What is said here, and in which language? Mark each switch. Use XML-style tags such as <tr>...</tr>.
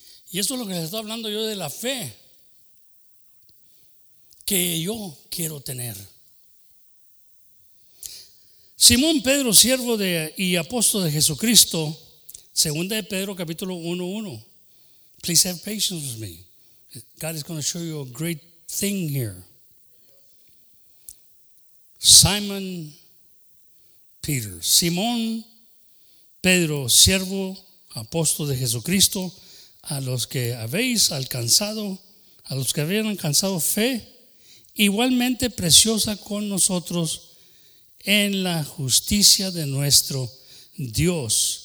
<es>Y esto es lo que les estoy hablando yo de la fe que yo quiero tener. Simón Pedro, siervo de y apóstol de Jesucristo, segunda de Pedro, capítulo 1, 1.</es> <en>Please have patience with me. God is going to show you a great thing here. Simon Peter.</en> <es>Simón Pedro, siervo, apóstol de Jesucristo, a los que habéis alcanzado, a los que habían alcanzado fe, igualmente preciosa con nosotros, en la justicia de nuestro Dios.</es>